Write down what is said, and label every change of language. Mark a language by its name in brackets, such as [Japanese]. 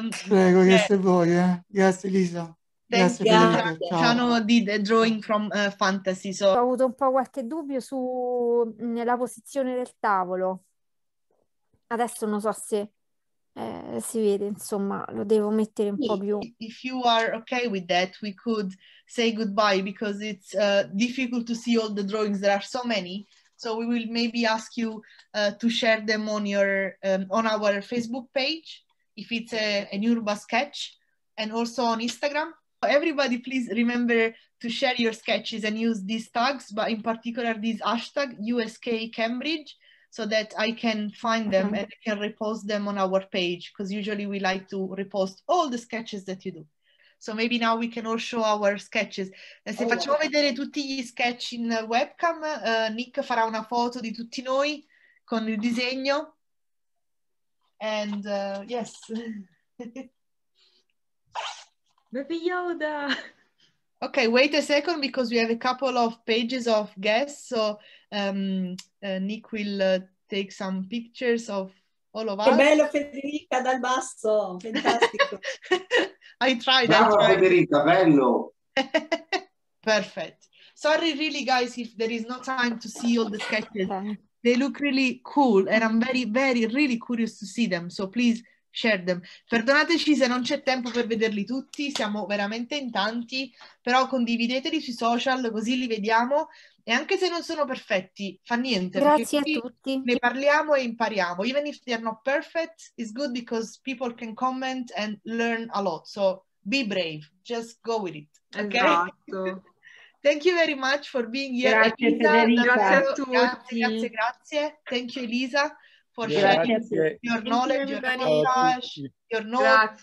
[Italian] Prego, grazie a voi. Grazie, Elisa. [English] Ciao. Did a drawing from fantasy. So. [Italian] Ho avuto un po' qualche dubbio su nella posizione del tavolo. Adesso non so se si vede, insomma, lo devo mettere un po' più. [English] If you are okay with that, we could say goodbye because it's difficult to see all the drawings. There are so many. So we will maybe ask you to share them on your on our Facebook page. If it's an urban sketch, and also on Instagram. Everybody, please remember to share your sketches and use these tags, but in particular this hashtag, USK Cambridge, so that I can find them and I can repost them on our page, because usually we like to repost all the sketches that you do. So maybe now we can all show our sketches. [Italian] E se facciamo vedere tutti gli sketch in webcam, Nick farà una foto di tutti noi con il disegno. [English] And yes, Baby Yoda. Okay, wait a second because we have a couple of pages of guests. So Nick will take some pictures of all of us. [Italian] Che bello Federica dal basso, fantastico. [English] I tried. [Italian] Federica, bello. [English] Perfect. Sorry, really, guys, if there is no time to see all the sketches. They look really cool and I'm very, very, really curious to see them. So please share them. [Italian] Perdonateci se non c'è tempo per vederli tutti, siamo veramente in tanti, però condivideteli sui social così li vediamo. E anche se non sono perfetti, fa niente. Grazie a tutti. Ne parliamo e impariamo. [English] Even if they are not perfect, it's good because people can comment and learn a lot. So be brave, just go with it. Okay? [Italian] Esatto. [English] Thank you very much for being here. [Italian] Grazie, Elisa. Grazie a tutti. Grazie. [English] Thank you, Elisa, for sharing your knowledge, your knowledge, your knowledge.